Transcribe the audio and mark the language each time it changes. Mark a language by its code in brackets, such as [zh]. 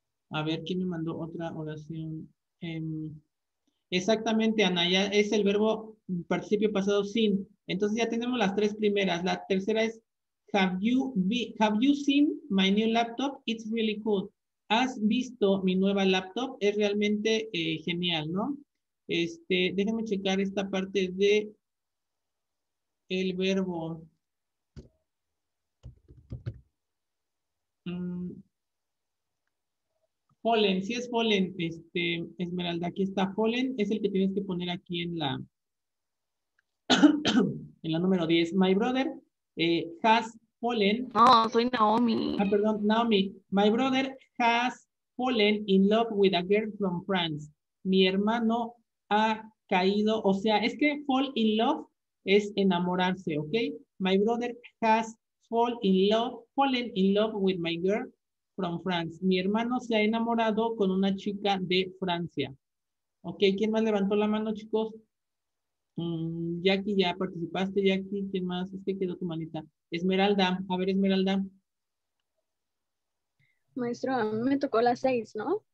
[es] A ver, ¿quién me mandó otra oración? Exactamente, Ana, ya es el verbo participio pasado sin. Entonces ya tenemos las tres primeras. La tercera es. [en] Have you seen my new laptop? It's really cool. [es] ¿Has visto mi nueva laptop? Es realmente genial, ¿no? Déjenme checar esta parte de el verbo. Fallen, sí es fallen. Esmeralda, aquí está fallen. Es el que tienes que poner aquí en la número 10. [en] My brother has fallen. [es] No, soy Naomi. Ah, perdón, [en] Naomi. My brother has fallen in love with a girl from France. [es] mi hermano ha caído. O sea, es que fall in love es enamorarse, ¿ok? [en] My brother has fallen in love with my girl from France. [es] Mi hermano se ha enamorado con una chica de Francia. ¿Ok? ¿Quién más levantó la mano, chicos? Jackie, ya participaste, Jackie. ¿Quién más? Es que quedó tu manita. Esmeralda. A ver, Esmeralda. Maestro, a mí me tocó la 6, ¿no?